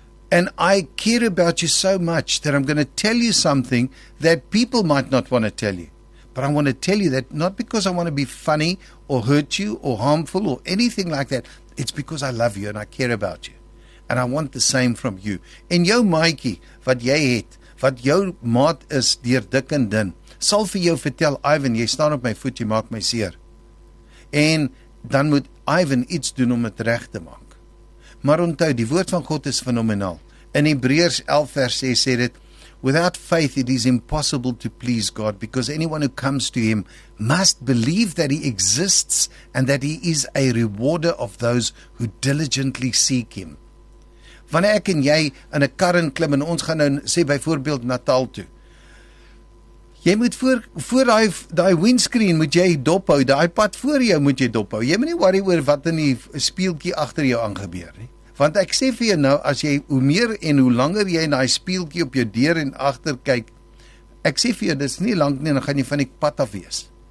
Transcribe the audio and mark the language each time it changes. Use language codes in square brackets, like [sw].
[en] And I care about you so much that I'm going to tell you something that people might not want to tell you. But I want to tell you that not because I want to be funny or hurt you or harmful or anything like that. It's because I love you and I care about you. And I want the same from you. [af] En jou maatjie wat jy het, wat jou maat is deur dik en dun, sal vir jou vertel, Ivan, jy staan op my voet, jy maak my seer. En dan moet Ivan iets doen om het reg te maak. Maar onthou, die woord van God is fenomenaal. In Hebreërs 11 vers 6 sê dit, [en] without faith it is impossible to please God, because anyone who comes to him must believe that he exists and that he is a rewarder of those who diligently seek him. [af] Wanneer ek en jy in 'n kar in klim en ons gaan nou sê byvoorbeeld Natal toe. Jy moet voor daai windscreen moet jy dop hou, daai pad voor jou moet jy dop hou. Jy moet nie worry oor wat in die speeltjie agter jou aangebeur nie. Want ek sê vir jou nou, as jy hoe meer en hoe langer jy in daai speeltjie op jou deur en agter kyk, ek sê vir jou dis nie lank nie en dan gaan jy van die pad af wees.